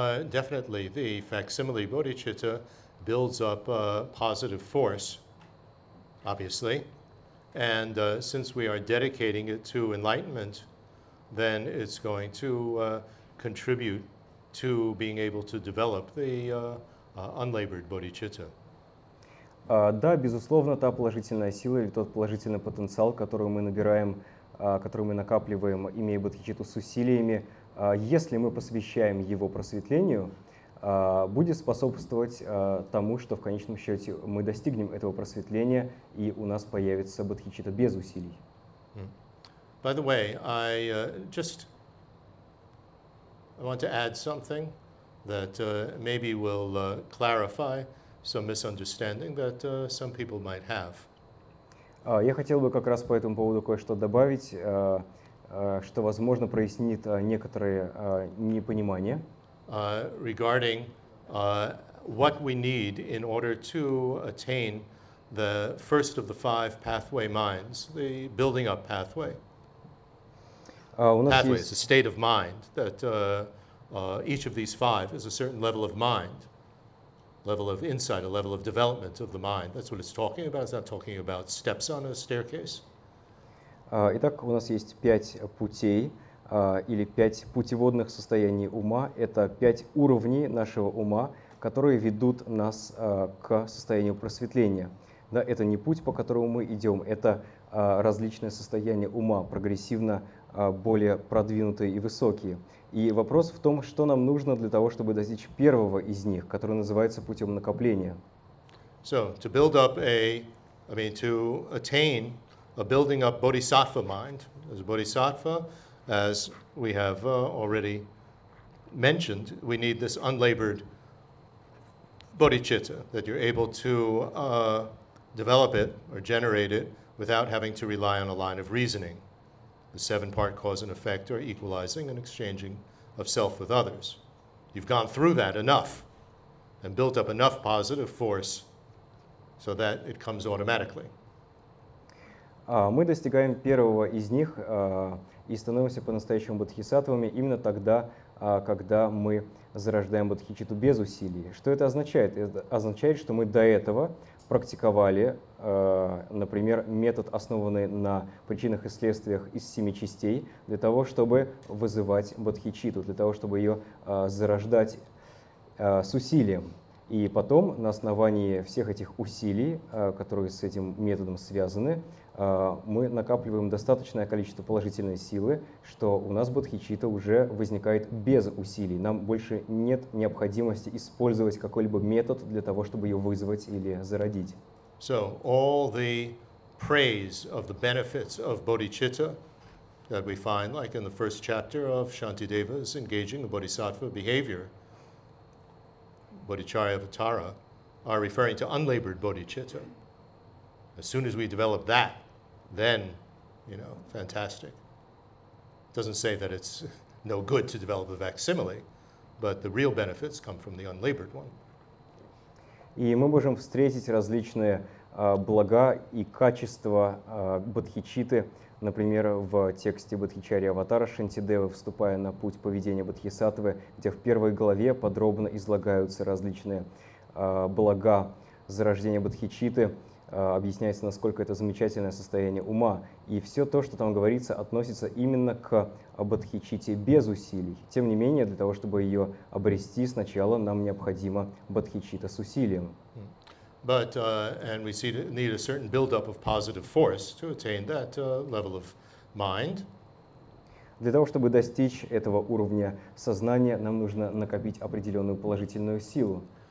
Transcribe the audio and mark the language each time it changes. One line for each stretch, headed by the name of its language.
English: Definitely, the facsimile bodhicitta builds up a positive force, obviously. And since we are dedicating it to enlightenment, then it's going to contribute to being able to develop the unlabored bodhicitta.
Russian: Да, безусловно, та положительная сила или тот положительный потенциал, который мы набираем, которую мы накапливаем, имея бодхичитту с усилиями, если мы посвящаем его просветлению, будет способствовать тому, что в конечном счете мы достигнем этого просветления, и у нас появится бодхичитта без усилий.
English: By the way, I just want to add something that maybe will clarify some misunderstanding that some people might have.
Russian: Я хотел бы как раз по этому поводу кое-что добавить, что, возможно, прояснит некоторые непонимания.
English: Regarding what we need in order to attain the first of the five pathway minds, the building up pathway. Pathway
Russian: есть...
English: is a state of mind, that each of these five is a certain level of mind. Level of insight, a level of development of the mind. That's what it's talking about. It's not talking about steps on a staircase.
Russian: Итак, у нас есть пять путей или пять путеводных состояний ума. Это пять уровней нашего ума, которые ведут нас к состоянию просветления. Да, это не путь, по которому мы идем. Это различные состояния ума, прогрессивно более продвинутые и высокие. И вопрос в том, что нам нужно для того, чтобы достичь первого из них, который называется путем накопления.
English: So, to build up to attain a building up bodhisattva mind, as a bodhisattva, as we have already mentioned, we need this unlabored bodhicitta, that you're able to develop it or generate it without having to rely on a line of reasoning, the seven-part cause and effect, or equalizing and exchanging of self with others. You've gone through that enough and built up enough positive force so that it comes automatically.
Russian: Мы достигаем первого из них и становимся по-настоящему бодхисаттвами именно тогда, когда мы зарождаем бодхичитту без усилий. Что это означает? Это означает, что мы до этого практиковали, например, метод, основанный на причинах и следствиях из семи частей, для того, чтобы вызывать бодхичитту, для того, чтобы ее зарождать с усилием. И потом, на основании всех этих усилий, которые с этим методом связаны, мы накапливаем достаточное количество положительной силы, что у нас бодхичитта уже возникает без усилий. Нам больше нет необходимости использовать какой-либо метод для того, чтобы ее вызвать или зародить.
English: So all the praise of the benefits of bodhicitta that we find, like in the first chapter of Shantideva's Engaging a Bodhisattva Behavior, Bodhicharyavatara, are referring to unlabored bodhicitta. As soon as we develop that, then, you know, fantastic. It doesn't say that it's no good to develop a facsimile, but the real benefits come from the unlabored one.
Russian: И мы можем встретить различные блага и качества бодхичитты, например, в тексте Бодхичарьяватара Шантидевы, вступая на путь поведения бодхисаттвы, где в первой главе подробно излагаются различные блага зарождения бодхичитты, объясняется, насколько это замечательное состояние ума. И все то, что там говорится, относится именно к бодхичитте без усилий. Тем не менее, для того, чтобы ее обрести, сначала нам необходимо бодхичитта с усилием.
English: But and we see need a certain build-up of positive force to attain that level of mind.
Russian: Для того, чтобы достичь этого уровня сознания, нам нужно накопить определенную положительную силу.